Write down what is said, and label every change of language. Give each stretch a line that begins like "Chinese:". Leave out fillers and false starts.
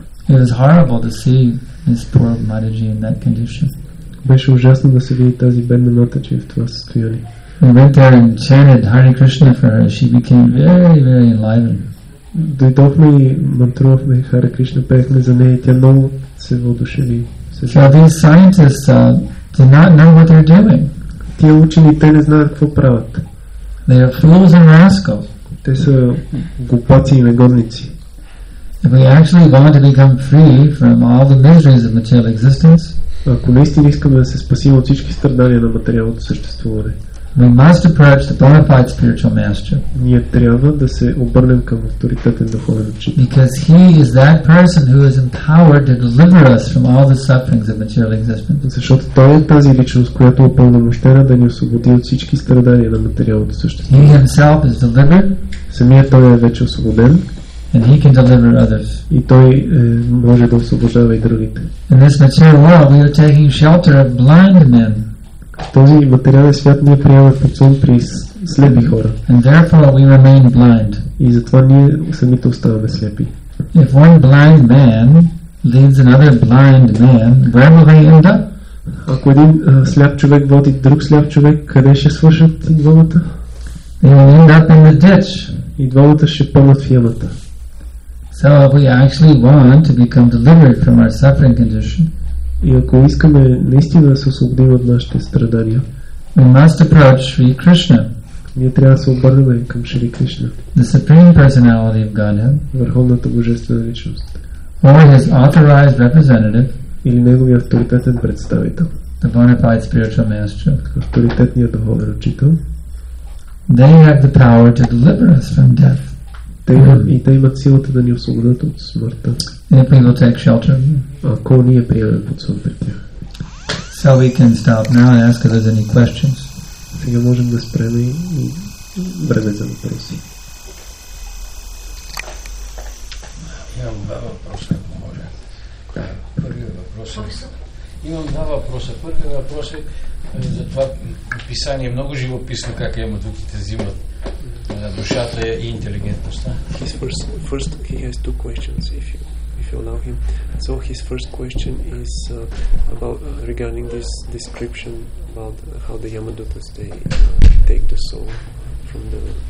English: It was horrible to see this poor Mataji in that condition.
Bulgarian: Беше ужасно да се види тази бедна Матаджи в това състояние.
English: We went there and chanted Hare Krishna for her. She became very, very enlivened.
Bulgarian: Дойдохме и мантрувахме Хара Кришна, пеехме за нея и тя много се въодушеви.
English: So these scientists do not know what they're doing.
Bulgarian: Тия учени, те не знаят какво правят.
English: They are fools and rascals.
Bulgarian: Те са глупаци и негодници.
English: If we actually want to become free from all the miseries of material existence,
Bulgarian: ако наистина искаме да се спасим от всички страдания на материалното съществуване,
English: we must approach the bona fide spiritual master.
Bulgarian: Ние трябва да се обърнем към авторитетен духовен учител.
English: Because he is that person who is empowered to deliver us from all the sufferings of material existence.
Bulgarian: Защото той е тази личност, която е упълномощена да ни освободи от всички страдания на материалното същество.
English: He himself is delivered.
Bulgarian: Самият той е вече освободен.
English: And he can deliver others.
Bulgarian: И той може да освобождава и другите.
English: In this material world, we are taking shelter of blind men.
Bulgarian: В този материален свят ние приемаме подсон при слепи хора.
English: And therefore we remain blind.
Bulgarian: И затова ние самите оставаме слепи.
English: If one blind man leads another blind man, where will they end up?
Bulgarian: Ако един сляп човек води друг сляп човек, къде ще свършат двамата?
English: They will end up in the ditch.
Bulgarian: И двамата ще пълнат в ямата.
English: So if we actually want to become delivered from our suffering condition,
Bulgarian: и ако искаме наистина да се освободим от нашите страдания,
English: we must approach Sri Krishna.
Bulgarian: Ние трябва да се обърнем към Шри Кришна.
English: The Supreme Personality of Godhead,
Bulgarian: върховната божествена личност,
English: or his authorized representative,
Bulgarian: или неговият авторитетен представител,
English: the bona fide spiritual master,
Bulgarian: авторитетният духовен учител,
English: they have the power to deliver us from death.
Bulgarian: И те имат силата да ни освободят от смъртта.
English: If we will take shelter.
Bulgarian: Ако ние приемем под сон при тях.
English: So we can stop now and ask if there's any questions.
Bulgarian: Сега можем да спреме и време за въпроси. Имам два въпроса, ако може. Първият въпрос е... Имам два въпроса. Първият въпрос е за това описание. Много живописно как я мадуките взимат. Душата и интелигентността.
English: His first he has two questions if you allow him. So his first question is about regarding this description about how the Yamadutas take the soul from the